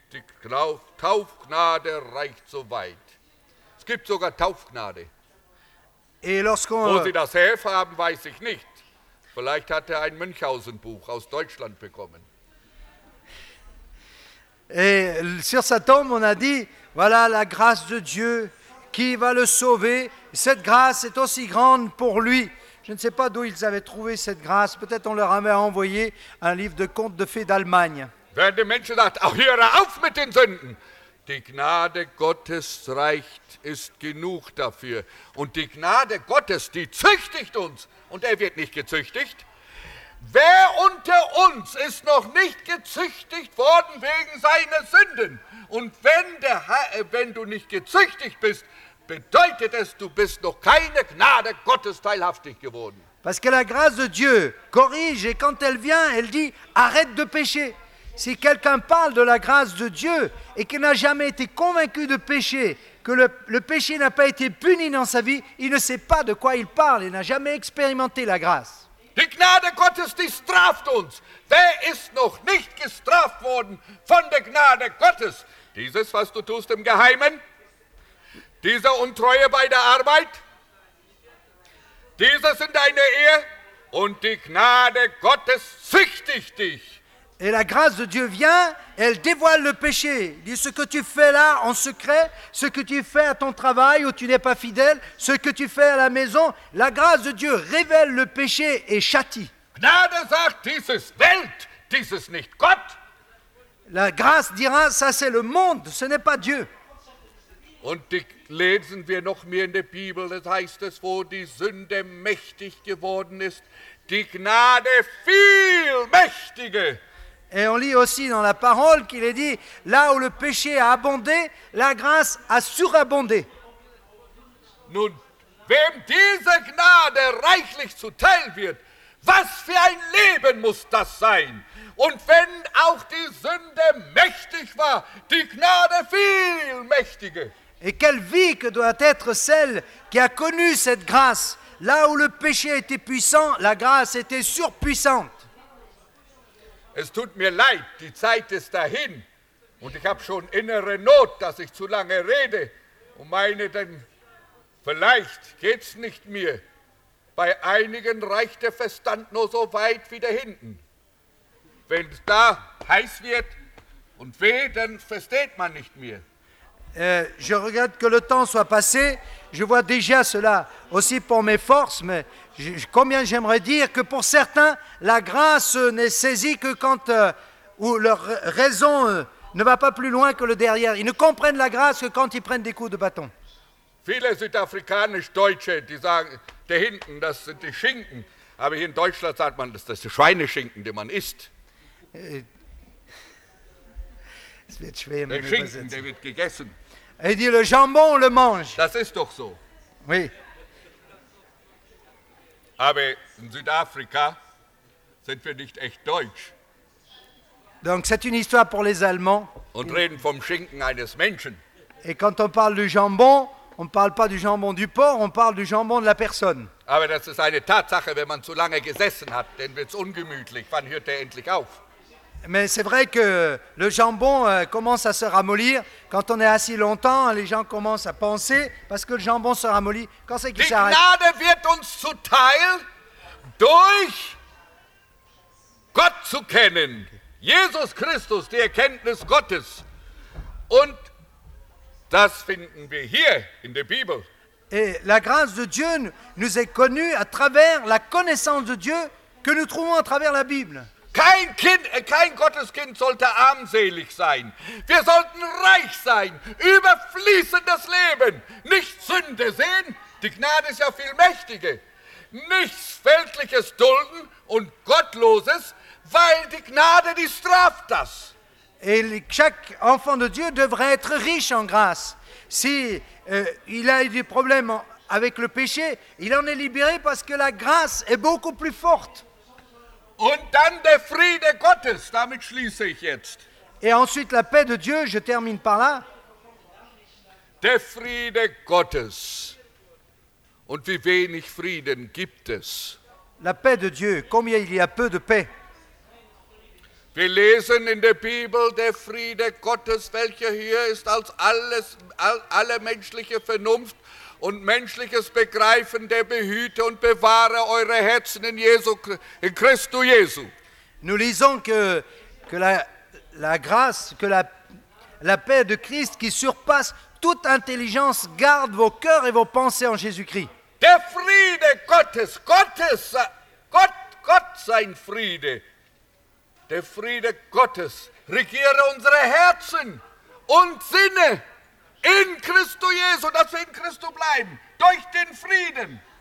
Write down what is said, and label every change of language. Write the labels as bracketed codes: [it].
[de] Die Taufgnade reicht so weit. Es gibt sogar Taufgnade. Wo sie das herhaben, weiß ich nicht. Vielleicht hat er ein Münchhausen-Buch aus Deutschland bekommen. [fr] Et sur sa tombe, on a dit, voilà la grâce de Dieu qui va le sauver. Cette grâce est aussi grande pour lui. Je ne sais pas d'où ils avaient trouvé cette grâce. Peut-être on leur avait envoyé un livre de contes de fées d'Allemagne. [de] Wenn die Menschen sagt, hör auf mit den Sünden. Die Gnade Gottes reicht, ist genug dafür. Und die Gnade Gottes, die züchtigt uns. Und er wird nicht gezüchtigt. Wer unter uns ist noch nicht gezüchtigt worden wegen seiner Sünden? Und wenn du nicht gezüchtigt bist, bedeutet es, du bist noch keine Gnade Gottes teilhaftig geworden. [fr] Parce que la grâce de Dieu corrige et quand elle vient, elle dit, arrête de pécher. Si quelqu'un parle de la grâce de Dieu et qu'il n'a jamais été convaincu de pécher, que le péché n'a pas été puni dans sa vie, il ne sait pas de quoi il parle, il n'a jamais expérimenté la grâce. [de] Die Gnade Gottes, die straft uns. Wer ist noch nicht gestraft worden von der Gnade Gottes? Dieses, was du tust im Geheimen? Diese Untreue bei der Arbeit? Dieses in deiner Ehe? Und die Gnade Gottes züchtigt dich. [fr] Et la grâce de Dieu vient, elle dévoile le péché. Dit ce que tu fais là en secret, ce que tu fais à ton travail où tu n'es pas fidèle, ce que tu fais à la maison, la grâce de Dieu révèle le péché et châtie. [de] Gnade sagt, dieses Welt, dieses nicht Gott. [fr] La grâce dira, ça c'est le monde, ce n'est pas Dieu. [de] Und die lesen wir noch mehr in der Bibel, das heißt es, wo die Sünde mächtig geworden ist, die Gnade viel mächtige. [fr] Et on lit aussi dans la parole qu'il est dit, là où le péché a abondé, la grâce a surabondé. [de] Nun, wem diese Gnade reichlich zuteil wird, was für ein Leben muss das sein? Und wenn auch die Sünde mächtig war, die Gnade viel mächtige. [fr] Et quelle vie que doit être celle qui a connu cette grâce? Là où le péché était puissant, la grâce était surpuissante. [de] Es tut mir leid, die Zeit ist dahin und ich habe schon innere Not, dass ich zu lange rede und meine, denn vielleicht geht's nicht mehr. Bei einigen reicht der Verstand nur so weit wie da hinten. Wenn es da heiß wird und weh, dann versteht man nicht mehr. [fr] Je regrette que le temps soit passé. Je vois déjà cela aussi pour mes forces, mais combien j'aimerais dire que pour certains, la grâce n'est saisie que quand où leur raison ne va pas plus loin que le derrière. Ils ne comprennent la grâce que quand ils prennent des coups de bâton. [de] Viele südafrikanisch-deutsche, die sagen, da hinten, das sind die Schinken. Aber hier in Deutschland sagt man, das ist die Schweineschinken, die man isst. Es wird schwer, der Schinken, der wird gegessen. [fr] Il dit le jambon, on le mange. [de] Das ist doch so. [fr] Oui. [de] Aber in Südafrika sind wir nicht echt deutsch. [fr] Donc c'est une histoire pour les Allemands. [de] Und reden vom Schinken eines Menschen. [fr] Et quand on parle du jambon, on parle pas du jambon du porc, on parle du jambon de la personne. [de] Aber das ist eine Tatsache, wenn man zu lange gesessen hat, dann wird's ungemütlich. Wann hört der endlich auf? [fr] Mais c'est vrai que le jambon commence à se ramollir. Quand on est assis longtemps, les gens commencent à penser parce que le jambon se ramollit. Quand c'est qu'il [de] die [fr] s'arrête? [de] Die Gnade wird uns zuteil durch Gott zu kennen. Jesus Christus, die Erkenntnis Gottes. Und das finden wir hier in der Bibel. [fr] Et la grâce de Dieu nous est connue à travers la connaissance de Dieu que nous trouvons à travers la Bible. [de] Kein Gotteskind sollte armselig sein. Wir sollten reich sein, überfließendes Leben, nicht Sünde sehen, die Gnade ist ja viel mächtiger. Nichts Weltliches dulden und Gottloses, weil die Gnade, die straft das. [fr] Et chaque enfant de Dieu devrait être riche en grâce. Si il a eu des problèmes avec le péché, il en est libéré parce que la grâce est beaucoup plus forte. [de] Und dann der Friede Gottes, damit schließe ich jetzt. [fr] Et ensuite la paix de Dieu, je termine par là. [de] Der Friede Gottes. Und wie wenig Frieden gibt es? [fr] La paix de Dieu, combien il y a peu de paix. [de] Wir lesen in der Bibel, der Friede Gottes, welcher höher ist als alles, alle menschliche Vernunft und menschliches Begreifen, der behüte und bewahre eure Herzen in Jesu, in Christo Jesu. [fr] Nous lisons que la grâce, que la paix de Christ qui surpasse toute intelligence garde vos cœurs et vos pensées en Jésus-Christ. [de] Der Friede Gottes, Gott sein Friede. Der Friede Gottes regiere unsere Herzen und Sinne in Christo Jesu, dass wir in Christo bleiben, durch den Frieden.